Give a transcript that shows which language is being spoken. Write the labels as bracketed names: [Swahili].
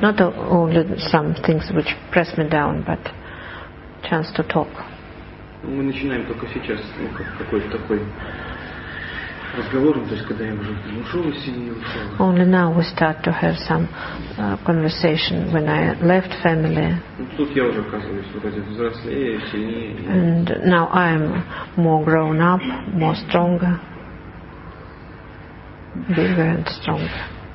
[English] Not only some things which press me down, but chance to talk. [Russian] Мы начинаем только сейчас, ну, какой-то такой разговор, то есть когда я уже ушел из семьи, ушел. [English] Only now we start to have some conversation when I left family. [Russian] Тут я уже оказываюсь вроде взрослее, сильнее. [English] And now I am more grown up, more stronger, bigger and stronger.